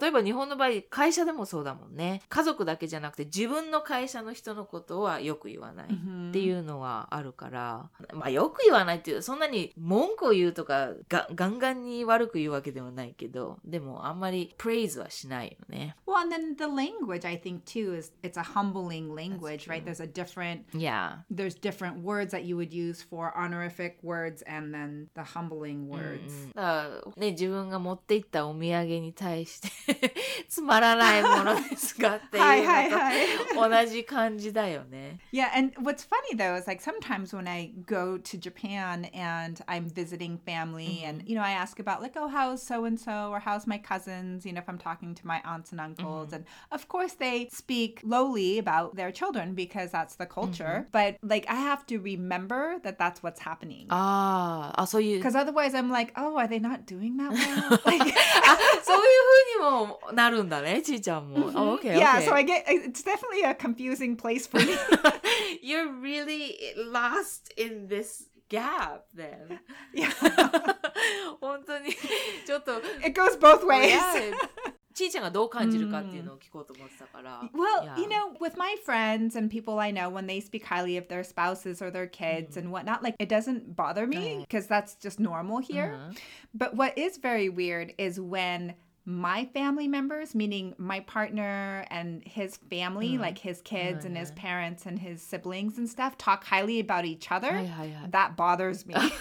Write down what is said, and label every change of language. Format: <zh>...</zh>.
<ja>例えば日本の場合会社でもそうだもんね。家族だけじゃなくて自分の会社の人のことはよく言わないっていうのはあるから、まあよく言わないっていうそんなに文句を言うとかガンガンに悪く言うわけではないけど、でもあんまりpraiseはしないよね。</ja> <en>Well, and then the language I think too is it's a humbling language, right? There's a different there's different words that you would useFor honorific words and then the humbling words.</en> <ja>ね、自分が持っていったお土産に対してつまらないものですかっていうのとはいはい、はい、同じ感じだよね。</ja> <en>Yeah, and what's funny though is like sometimes when I go to Japan and I'm visiting family and you know I ask about like oh how's so and so or how's my cousins, you know if I'm talking to my aunts and uncles and of course they speak lowly about their children because that's the culture. But like I have to remember. That that's what's happening. Ah, so you. Because otherwise, I'm like, oh, are they not doing that well? So you,</en> <ja>ふうにもなるんだね、ちーちゃんも。Okay. Yeah.</ja> <en>So I get it's definitely a confusing place for me. You're really lost in this gap, then. Yeah.</en> <ja>本当にちょっと。</ja> <en>It goes both ways.</en> <ja>ちーちゃんがどう感じるかっていうのを聞こうと思ってたから。</ja> <en>Well, yeah. you know, with my friends and people I know, when they speak highly of their spouses or their kids and whatnot, like, it doesn't bother me, because that's just normal here. But what is very weird is when... My family members, meaning my partner and his family, like his kids and his parents and his siblings and stuff, talk highly about each other, that bothers me.</en>